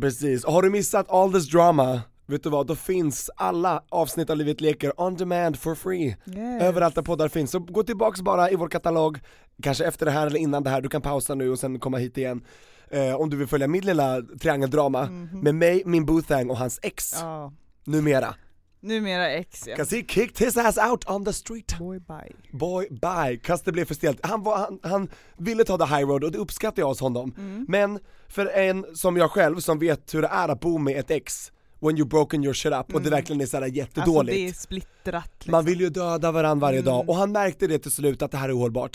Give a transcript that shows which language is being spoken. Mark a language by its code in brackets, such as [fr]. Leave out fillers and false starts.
[sv] Precis, och har du missat all this drama? Vet du vad, då finns alla avsnitt av Livet Leker on demand for free. Yes. Överallt där poddar finns. Så gå tillbaka bara i vår katalog. Kanske efter det här eller innan det här. Du kan pausa nu och sen komma hit igen. Om du vill följa min lilla triangeldrama. Mm-hmm. Med mig, min boothang och hans ex. Oh. Numera. Numera ex, ja. [en] Because he kicked his ass out on the street. Boy, bye. [sv] Boy, bye. Cause det blev för stelt. Han ville ta the high road och det uppskattade jag hos honom. Mm. Men för en som jag själv som vet hur det är att bo med ett ex... [en] When you've broken your shit up. Mm. Och det verkligen är såhär jättedåligt. [sv] Alltså det är splittrat. Liksom. Man vill ju döda varandra varje dag. Och han märkte det till slut att det här är ohållbart.